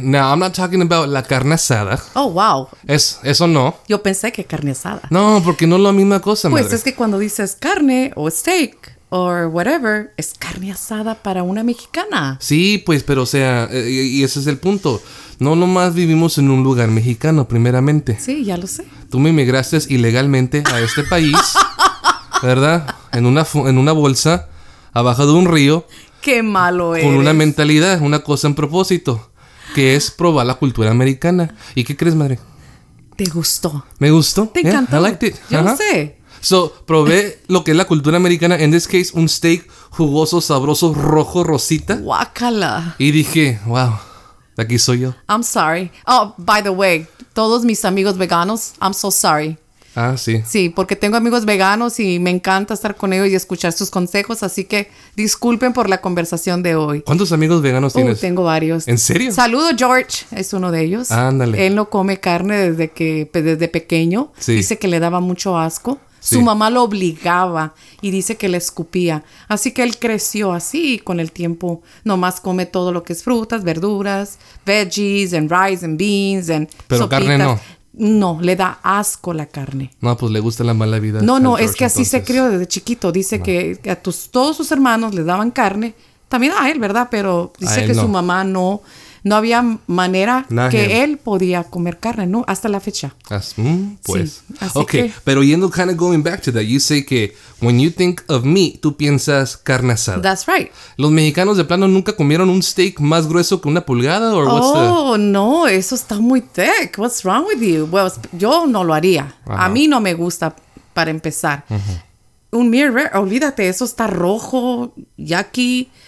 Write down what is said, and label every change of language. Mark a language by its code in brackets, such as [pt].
[en] Now, I'm not talking about [es] la carne asada. [en] Oh, wow. [es] Eso no. Yo pensé que carne asada. No, porque no es la misma cosa, pues, madre. Pues es que cuando dices carne o steak o [en] whatever, [es] es carne asada para una mexicana. Sí, pues, pero o sea, y ese es el punto. No nomás vivimos en un lugar mexicano, primeramente. Sí, ya lo sé. Tú me inmigraste ilegalmente a este país, ¿verdad? En una bolsa, abajo de un río. ¡Qué malo eres! Con una mentalidad, una cosa en propósito, que es probar la cultura americana. ¿Y qué crees, madre? Te gustó. ¿Me gustó? Te encantó. [en] I liked it. [es] Yo lo sé. So, probé lo que es la cultura americana. En [en] this case, [es] un steak jugoso, sabroso, rojo, rosita. ¡Guácala! Y dije, wow, aquí soy yo. [en] I'm sorry. Oh, by the way, [es] todos mis amigos veganos, [en] I'm so sorry. [es] Ah, sí. Sí, porque tengo amigos veganos y me encanta estar con ellos y escuchar sus consejos. Así que disculpen por la conversación de hoy. ¿Cuántos amigos veganos tienes? Tengo varios. ¿En serio? Saludo, George. Es uno de ellos. Ándale. Él no come carne desde pequeño. Sí. Dice que le daba mucho asco. Sí. Su mamá lo obligaba y dice que le escupía. Así que él creció así y con el tiempo nomás come todo lo que es frutas, verduras, veggies, [en] and rice, and beans, and [es] sopitas. Pero carne no. No, le da asco la carne. No, pues le gusta la mala vida. No, no, es que así se crió desde chiquito. Dice que a todos sus hermanos le daban carne. También a él, ¿verdad? Pero dice que su mamá no. No había manera que él podía comer carne, ¿no? Hasta la fecha. Pues. Sí. Pero yendo, [en] kind of going back to that, you say [es] que [en] when you think of meat, [es] tú piensas carne asada. [en] That's right. [es] ¿Los mexicanos de plano nunca comieron un steak más grueso que una pulgada? [en] Or what's [es] No, eso está muy [en] thick. What's wrong with you? Well, [es] yo no lo haría. Uh-huh. A mí no me gusta, para empezar. Uh-huh. Un [en] meat rare, [es] olvídate, eso está rojo, [en] yucky.